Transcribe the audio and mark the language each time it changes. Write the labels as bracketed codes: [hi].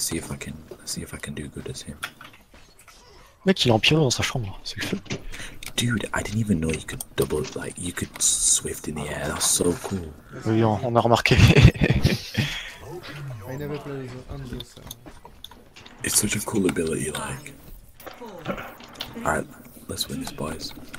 [en] let's see if I can do good as him. [fr] Mec, il est en piano dans sa chambre, c'est le feu. [en] Dude, I didn't even know you could double, like, you could swift in the air, that's so cool. [fr] Oui, on a remarqué. [en] I never played with Anzo, so... It's such a cool ability, like... Alright, let's win this, boys.